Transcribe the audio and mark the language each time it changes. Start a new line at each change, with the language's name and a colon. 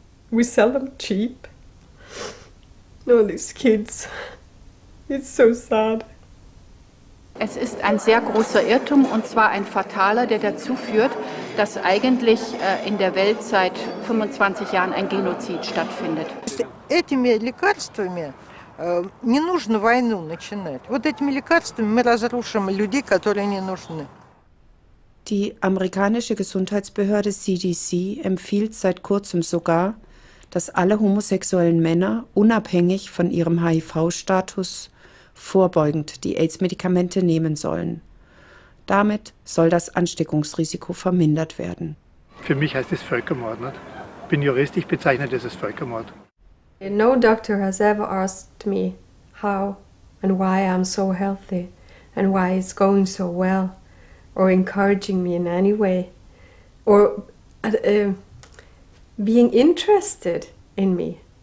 English: We sell them cheap. All these kids. It's so sad.
German: Es ist ein sehr großer Irrtum und zwar ein fataler, der dazu führt, dass eigentlich in der Welt seit 25 Jahren ein Genozid stattfindet.
Russian: Этими лекарствами не нужно войну начинать. Вот этими лекарствами мы разрушим людей, которые не нужны.
German: Die amerikanische Gesundheitsbehörde CDC empfiehlt seit kurzem sogar, dass alle homosexuellen Männer unabhängig von ihrem HIV-Status vorbeugend die AIDS-Medikamente nehmen sollen. Damit soll das Ansteckungsrisiko vermindert werden. Für mich heißt es Völkermord. Nicht? Ich bin Jurist, ich bezeichne das als Völkermord.
English: No doctor has ever asked me how and why I'm so healthy and why it's going so well or encouraging me in any way or being interested in me.